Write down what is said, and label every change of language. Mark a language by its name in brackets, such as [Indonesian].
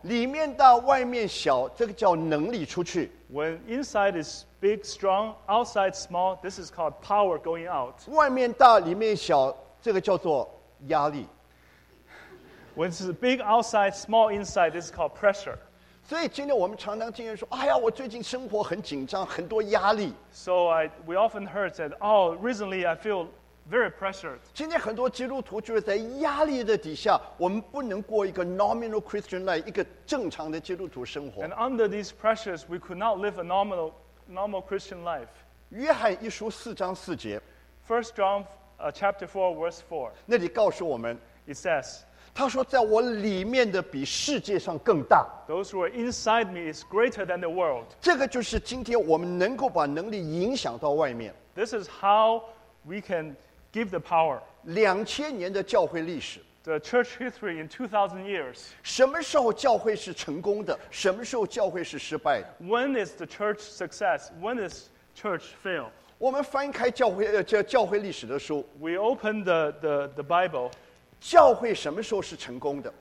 [Chinese] 里面大外面小, [English] when inside is big, strong, outside small, this is called power going out. [Chinese] 外面大里面小, [English] when it's big outside, small inside, this is called pressure. [Chinese] 所以今天我们常常听人说，哎呀，我最近生活很紧张，很多压力。 [English] So we often heard that, oh, recently I feel very pressured. [Chinese] 今天很多基督徒就是在压力的底下，我们不能过一个 [English] nominal Christian life， [Chinese] 一个正常的基督徒生活。 [English] And under these pressures, we could not live a normal Christian life. [Chinese] 约翰一书四章四节 [English] First John chapter 4, verse 4. [Chinese] 那里告诉我们 [English] It says, [Chinese] 他说在我里面的比世界上更大。 [English] Those who are inside me is greater than the world. [Chinese] 这个就是今天我们能够把能力影响到外面。 [English] This is how we can give the power. [Chinese] 2000年的教会历史。 [English] The church history in 2000 years. [Chinese] 什么时候教会是成功的?什么时候教会是失败的? [English] When is the church success? When is church fail? [Chinese] 我们翻开教会历史的书。 [English] We open the Bible. [Chinese] 教会什么时候是成功的?